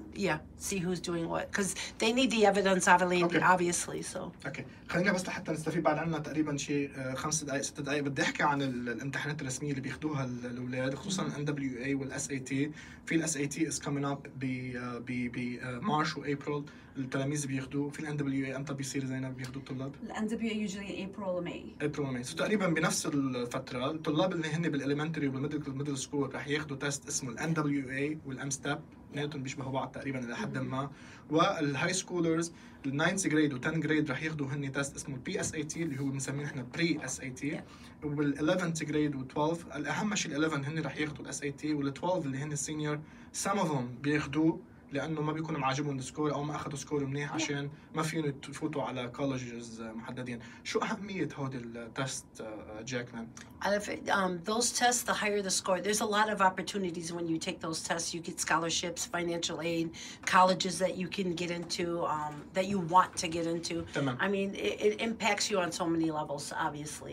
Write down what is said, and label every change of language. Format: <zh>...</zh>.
<en>Yeah see who's doing what because they need the evidence obviously, okay. obviously so</en> <ar>okay خلينا بس لحتى نستفيد بعد عنا تقريبا شيء 5 دقائق 6 دقائق بدي احكي عن الامتحانات الرسميه اللي بياخذوها الاولاد خصوصا ال NWA وال SAT في ال</ar> <en>SAT is coming up</en> <ar>ب مارش وابريل التلاميذ بياخدوه في الـ NWA امتى بيصير زينب بياخدوا الطلاب؟</ar> <en>الـ NWA usually April or May. April or May.</en> <ar>تقريبا بنفس الفترة الطلاب اللي هن بالإليمنتري وبالميدل سكول رح ياخدوا تيست اسمه الـ NWA والـ M-Step نيتهم بيشبهوا بعض تقريبا إلى حد ما. والهاي سكولرز الـ 9th grade و 10th grade رح ياخدوا هن تيست اسمه الـ PSAT اللي هو بنسميه احنا Pre-SAT. والـ 11th grade و 12th الأهم شيء الـ 11 هن رح ياخدوا الـ SAT والـ 12 اللي هن السينيور</ar> <en>some of them</en> <ar>بياخدوا لانه ما بيكونوا معجبهم السكور او ما اخذوا سكور منيح عشان ما فيهم يفوتوا على كولجز محددين. شو اهميه هودي التست جاكلين؟</ar> <en>على those tests the higher the score there's a lot of opportunities when you take those tests you get scholarships financial aid colleges that you can get into that you want to get into</en> <ar>تمام.</ar> <en>I mean it impacts you on so many levels obviously</en>